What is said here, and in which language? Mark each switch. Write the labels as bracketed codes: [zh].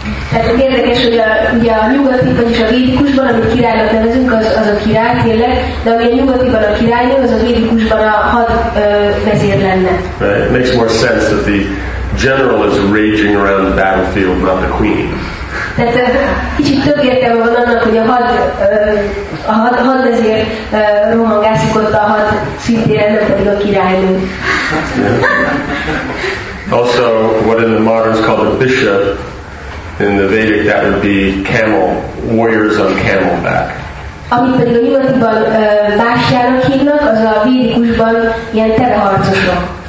[en] Right. It makes more sense that the general is raging around the battlefield, not the queen. [hu] Tehát kicsit több értelme van annak, hogy a hadvezér rohangászik ott a had szintén, nem pedig a királynő. [en] Also, what in the moderns called a bishop, in the Vedic that would be camel, warriors on camelback. [hu] Amit pedig a nyugatiban bástyának hívnak, az a védikusban ilyen tereharcosok.